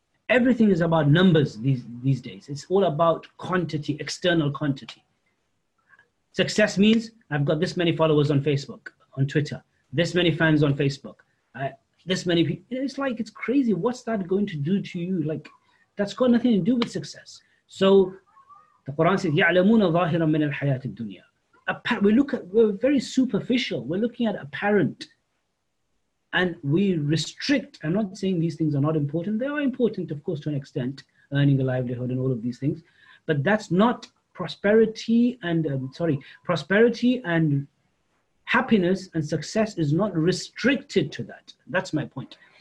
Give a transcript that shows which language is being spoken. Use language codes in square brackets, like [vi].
[en] Everything is about numbers these days. It's all about quantity, external quantity. Success means I've got this many followers on Facebook, on Twitter, this many fans on Facebook, this many people. It's like, it's crazy. What's that going to do to you? Like, that's got nothing to do with success. So the Quran says, [ar] يَعْلَمُونَ ظَاهِرًا مِنَ الْحَيَاةِ الدُّنْيَا. [en] We're very superficial. We're looking at apparent. And we restrict. I'm not saying these things are not important. They are important, of course, to an extent, earning a livelihood and all of these things. But that's not prosperity and, prosperity and happiness and success is not restricted to that. That's my point.